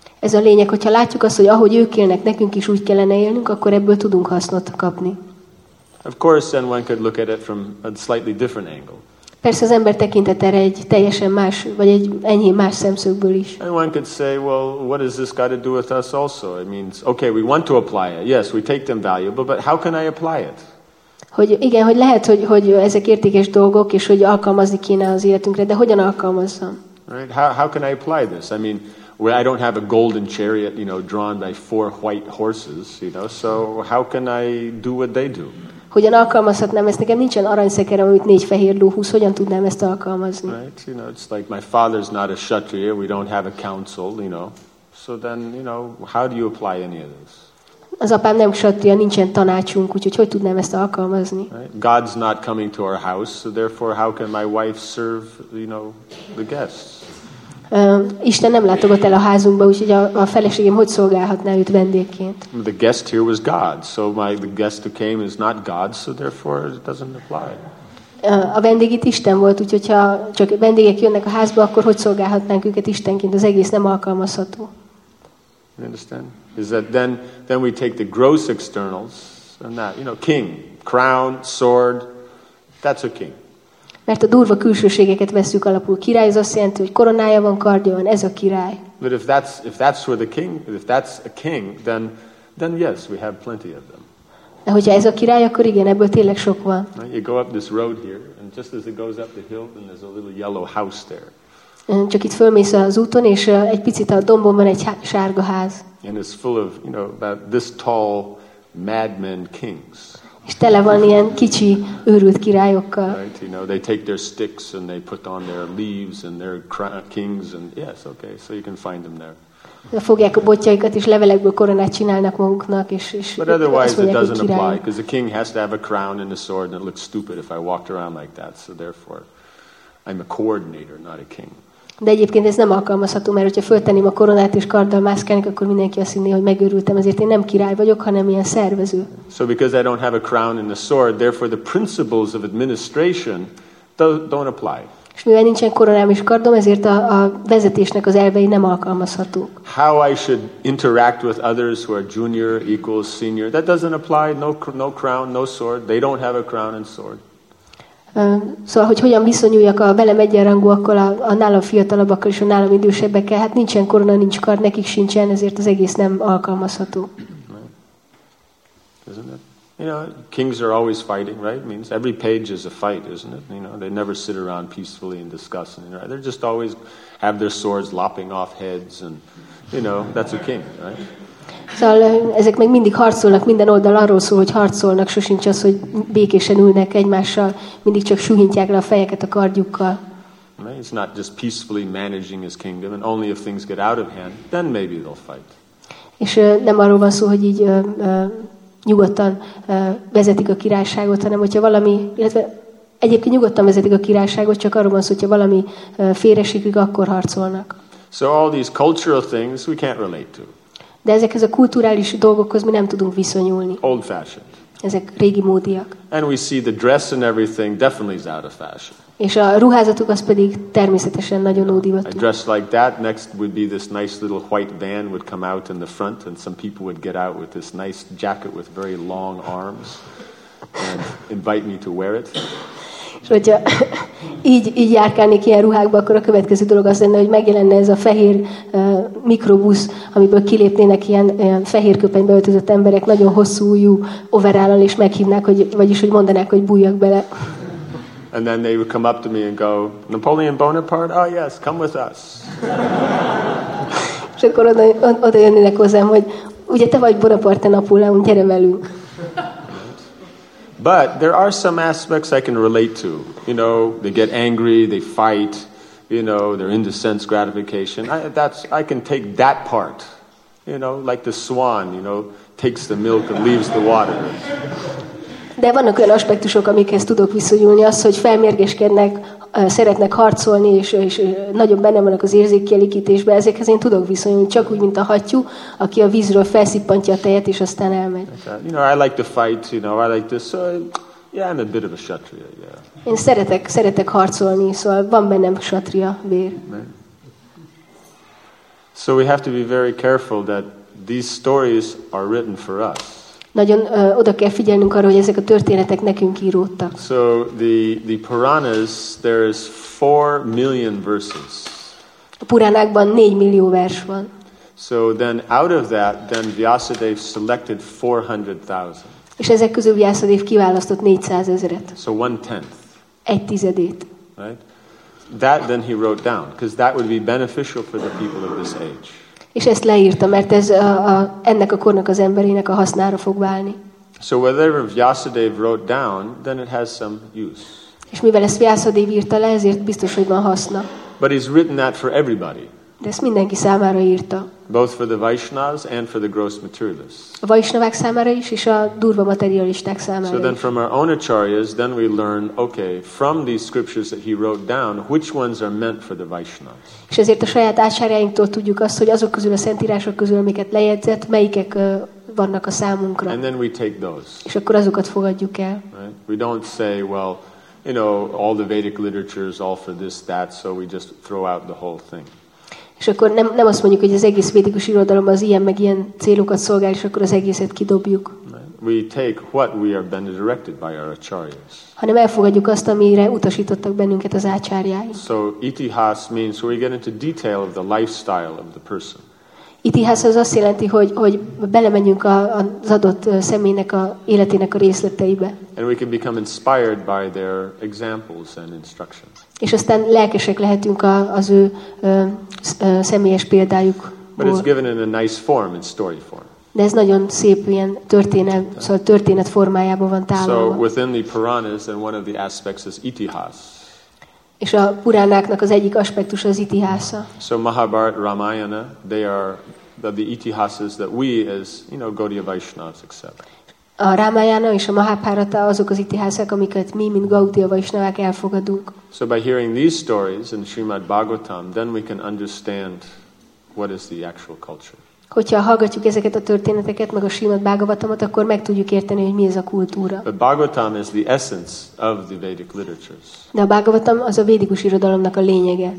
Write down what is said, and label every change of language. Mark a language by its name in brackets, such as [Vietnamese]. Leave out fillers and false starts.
[Hungarian] Ez a lényeg, hogyha látjuk azt, hogy ahogy ők élnek, nekünk is úgy kellene élnünk, akkor ebből tudunk hasznot kapni. [English] Of course, then one could look at it from a slightly different angle. [Hungarian] Persze az ember tekintet erre egy teljesen más, vagy egy ennyi más szemszögből is. [English] And one could say, well, what has this got to do with us also? It means, okay, we want to apply it. Yes, we take them valuable, but how can I apply it? [Hungarian] Hogy igen, hogy lehet, hogy ezek értékes dolgok, és hogy alkalmazni kéne az életünkre, de hogyan alkalmazzam? [English] Right? How can I apply this? I mean, where I don't have a golden chariot, you know, drawn by four white horses, you know, so how can I do what they do? [Hungarian] Hogyan alkalmazhatnám ezt? Nekem nincsen aranyszekerem, amit négy fehér ló húz. Hogyan tudnám ezt alkalmazni? [English] Right, you know, it's like my father's not a kshatriya, we don't have a council, you know. So then, you know, how do you apply any of this? [Hungarian] Az apám nem kshatriya, nincsen tanácsunk, úgyhogy hogy tudnám ezt alkalmazni? [English] God's not coming to our house, so therefore how can my wife serve, you know, the guests? [Hungarian] Isten nem látogat el a házunkba, úgyhogy a feleségem hogy szolgálhatná őt vendégként? [English] The guest here was God, so the guest who came is not God, so therefore it doesn't apply. [Hungarian] A vendég itt Isten volt, úgyhogy ha csak vendégek jönnek a házba, akkor hogy szolgálhatnánk őket Istenként? Az egész nem alkalmazható. [English] You understand? Is that then we take the gross externals and that, you know, king, crown, sword, that's a king. [Hungarian] Mert a durva külsőségeket veszük alapul. Király, az azt jelenti, hogy koronája van, kardja van, ez a király. [English] But if that's where the king, if that's a king, then yes, we have plenty of them. [Hungarian] De hogyha ez a király, akkor igen, ebből tényleg sok van. [English] You go up this road here, and just as it goes up the hill, then there's a little yellow house there. [Hungarian] Csak itt fölmész az úton, és egy picit a dombon van egy sárga ház. [English] And it's full of, you know, about this tall madmen kings. [Hungarian] És tele van ilyen kicsi őrült királyokkal. [English] Right, you know, they take their sticks and they put on their leaves and their kings and yes, okay, so you can find them there. [Hungarian] Fogják a botjaikat és levelekből koronát csinálnak maguknak, és [English] but otherwise it doesn't apply because the king has to have a crown and a sword and it looks stupid if I walked around like that. So therefore, I'm a coordinator, not a king. [Hungarian] De egyébként ez nem alkalmazható, mert hogyha fölteném a koronát és karddal mászkálnék, akkor mindenki azt hinné, hogy megőrültem, ezért én nem király vagyok, hanem ilyen szervező. [English] So because I don't have a crown and a sword, therefore the principles of administration don't apply. [Hungarian] És mivel nincsen koronám és kardom, ezért a vezetésnek az elvei nem alkalmazhatók. [English] How I should interact with others who are junior, equals, senior, that doesn't apply, no crown, no sword, they don't have a crown and sword. [Hungarian] Szóval, hogy hogyan viszonyuljak a velem egyenrangúakkal, a nálam fiatalabbakkal és a nálam idősebbekkel, hát nincsen korona, nincs kard, nekik sincsen, ezért az egész nem alkalmazható. [English] Right. Isn't it? You know, kings are always fighting, right? Means every page is a fight, isn't it? You know, they never sit around peacefully and discuss, right? They just always have their swords lopping off heads and, you know, that's a king, right? [Hungarian] Szóval ezek meg mindig harcolnak, minden oldal arról szól, hogy harcolnak, sosincs az, hogy békésen ülnek egymással, mindig csak suhintják le a fejeket a kardjukkal. [English] It's not just peacefully managing his kingdom, and only if things get out of hand, then maybe they'll fight. [Hungarian] És nem arról van szó, hogy így nyugodtan vezetik a királyságot, hanem hogyha valami, illetve egyébként nyugodtan vezetik a királyságot, csak arról van szó, hogyha valami félresiklik, akkor harcolnak. [English] So all these cultural things we can't relate to. [Hungarian] De ezekhez a kulturális dolgokhoz mi nem tudunk viszonyulni. [English] Old fashioned. [Hungarian] Ezek régi módiak. [English] And we see the dress and everything definitely is out of fashion. [Hungarian] És a ruházatuk az pedig természetesen nagyon ódivatú. [English] A dress like that, next would be this nice little white band would come out in the front and some people would get out with this nice jacket with very long arms and invite me to wear it. [Hungarian] És hogyha így járkálnék ilyen ruhákba, akkor a következő dolog az lenne, hogy megjelenne ez a fehér mikrobusz, amiből kilépnének ilyen fehér köpenybe öltözött emberek, nagyon hosszú ujjú overállal, és meghívnák, hogy, vagyis hogy mondanák, hogy bújjak bele. [English] And then they would come up to me and go, Napoleon Bonaparte? Oh yes, come with us. [Hungarian] És akkor oda jönnének hozzám, hogy ugye te vagy Bonaparte, Napóleon, gyere velünk. [English] But there are some aspects I can relate to. You know, they get angry, they fight, you know, they're into sense gratification. I can take that part. You know, like the swan, you know, takes the milk and leaves the water. [Hungarian] De vannak olyan aspektusok, amikhez tudok viszonyulni, az, hogy felmérgeskednek, szeretnek harcolni, és nagyon benne vannak az érzékkielégítésben, ezekhez én tudok viszonyulni, csak úgy, mint a hattyú, aki a vízről felszippantja a tejet, és aztán elmegy. [English] You know, I like to fight, you know, I like to, so yeah, I'm a bit of a kshatriya, yeah. [Hungarian] Én szeretek harcolni, szóval van bennem kshatriya vér. [English] So we have to be very careful that these stories are written for us. [Hungarian] Nagyon oda kell figyelnünk arra, hogy ezek a történetek nekünk íródtak. [English] So the Puranas, there is 4 million verses. [Hungarian] A Puránákban 4 millió vers van. [English] So then out of that, then Vyasadev selected 400,000. [Hungarian] És ezek közül Vyasadev kiválasztott 400,000-et. [English] So 1/10. [Hungarian] Egy tizedét. [English] Right? That then he wrote down, because that would be beneficial for the people of this age. [Hungarian] És ezt leírta, mert ez ennek a kornak az emberének a hasznára fog válni. [English] So whatever Vyasadev wrote down, then it has some use. [Hungarian] És mivel ezt Vyasadev írta le, ezért biztos, hogy van haszna. [English] But he's written that for everybody. [Hungarian] De ezt mindenki számára írta. [English] Both for the Vaishnavas and for the gross materialists. [Hungarian] A Vaishnavák számára is és a durva materialisták számára is. [English] So then from our own acharyas, then we learn, okay, from these scriptures that he wrote down, which ones are meant for the Vaishnavas. [Hungarian] És ezért a saját acharyáinktól tudjuk azt, hogy azok közül a szentírások közül, amiket lejegyzett, melyikek vannak a számunkra. [English] And then we take those. [Hungarian] És akkor azokat fogadjuk el. [English] Right? We don't say, well, you know, all the Vedic literature is all for this, that, so we just throw out the whole thing. [Hungarian] És akkor nem azt mondjuk, hogy az egész védikus irodalom az ilyen meg ilyen célokat szolgál, és akkor az egészet kidobjuk. [English] We take what we are then directed by our acharyas. [Hungarian] Hanem elfogadjuk azt, amire utasítottak bennünket az ácsárjáink. [English] So itihas means we get into detail of the lifestyle of the person. [Hungarian] Itihas az azt jelenti, hogy belemenjünk az adott személynek a életének a részleteibe. [English] And we can become inspired by their examples and instructions. [Hungarian] És aztán lelkesek lehetünk az ő személyes példájuk. [English] But it's given in a nice form, in story form. [Hungarian] De ez nagyon szép ilyen történet, szóval történet formájában van tálalva. [English] So within the Puranas, then one of the aspects is itihas. [Hungarian] És a Puránáknak az egyik aspektus az itihasa. [English] So Mahabharata, Ramayana, they are the itihases that we as, you know, Gaudiya Vaishnavas accept. [Hungarian] A Ramayana és a Mahabharata azok az itihászak, amiket mi, mint Gaudiya Vaishnavák elfogadunk. [English] So by hearing these stories in Srimad Bhagavatam, then we can understand what is the actual culture. [Hungarian] Hogyha hallgatjuk ezeket a történeteket, meg a Srimad Bhagavatamot, akkor meg tudjuk érteni, hogy mi ez a kultúra. [English] But Bhagavatam is the essence of the Vedic literatures. [Hungarian] De a Bhagavatam az a védikus irodalomnak a lényege.